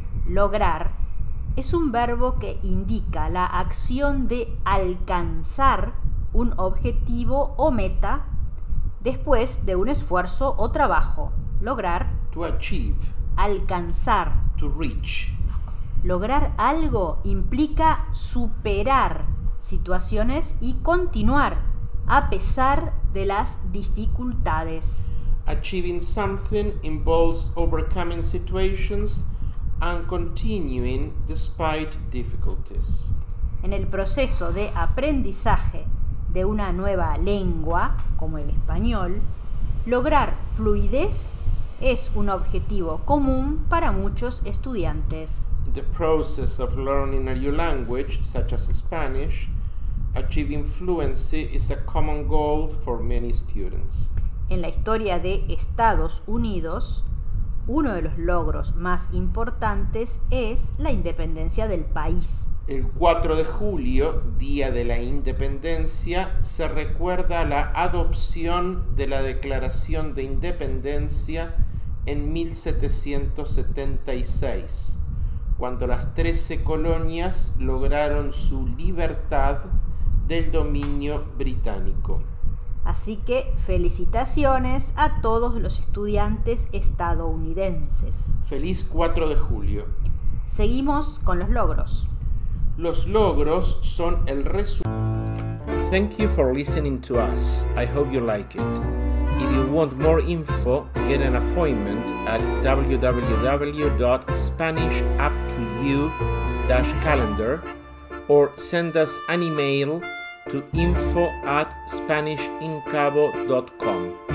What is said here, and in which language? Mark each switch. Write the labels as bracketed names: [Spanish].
[Spanish] Lograr es un verbo que indica la acción de alcanzar un objetivo o meta después de un esfuerzo o trabajo. Lograr. [English] To achieve. [Spanish] Alcanzar. [English] To reach. [Spanish] Lograr algo implica superar situaciones y continuar a pesar de las dificultades. [English] Achieving something involves overcoming situations and continuing despite difficulties. [Spanish] En el proceso de aprendizaje de una nueva lengua, como el español, lograr fluidez es un objetivo común para muchos estudiantes. [English] The process of learning a new language, such as Spanish, achieving fluency is a common goal for many students. [Spanish] En la historia de Estados Unidos, uno de los logros más importantes es la independencia del país. El 4 de julio, Día de la Independencia, se recuerda la adopción de la Declaración de Independencia en 1776, cuando las 13 colonias lograron su libertad del dominio británico. Así que felicitaciones a todos los estudiantes estadounidenses. ¡Feliz 4 de julio! Seguimos con los logros. Los logros son el resultado. [English] Thank you for listening to us. I hope you like it. If you want more info, get an appointment at www.spanishuptoyou-calendar or send us an email to info@spanishincabo.com.